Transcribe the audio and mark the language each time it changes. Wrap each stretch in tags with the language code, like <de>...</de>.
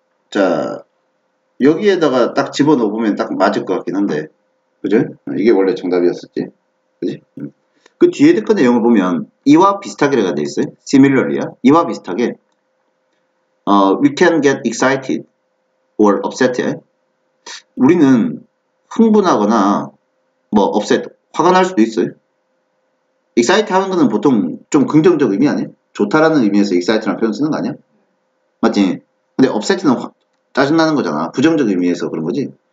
<ko>자, 여기에다가 딱 집어넣으면 딱 맞을 것 같긴 한데. 그죠? 이게 원래 정답이었었지. 그지? 그 뒤에 건의 내용을 보면 이와 비슷하게가 돼 있어요. similarly야. 이와 비슷하게.</ko> <en>we can get excited or upset.</en> <ko>우리는 흥분하거나 뭐 upset 화가 날 수도 있어요. excited 하는 거는 보통 좀 긍정적 의미 아니야? 좋다라는 의미에서 excited라는 표현 쓰는 거 아니야? 맞지? 근데 upset는 짜증나는 거잖아. 부정적 의미에서 그런 거지.</ko>